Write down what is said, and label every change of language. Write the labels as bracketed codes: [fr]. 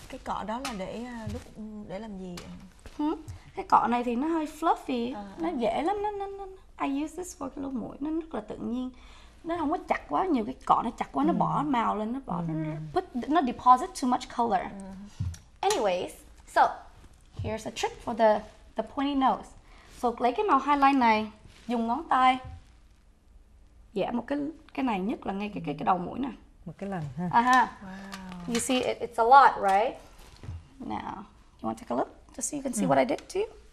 [vi] Cái cọ đó là để lúc để làm gì? Cái cọ này thì nó hơi fluffy, nó dễ lắm, nó [en] I use this for [vi] cái lỗ mũi, nó rất là tự nhiên. Nó không có chặt quá, nhiều cái cọ nó chặt quá nó bỏ màu lên, nó bỏ nó [en] deposit too much color. Anyways, so here's a trick for the pointy nose. [vi] So lấy cái màu highlight này, dùng ngón tay vẽ một cái này, nhất là ngay cái đầu mũi nè, một cái lần ha. [en] Wow. You see it's a lot, right? Now, you want to take a look just so you can see what I did to you.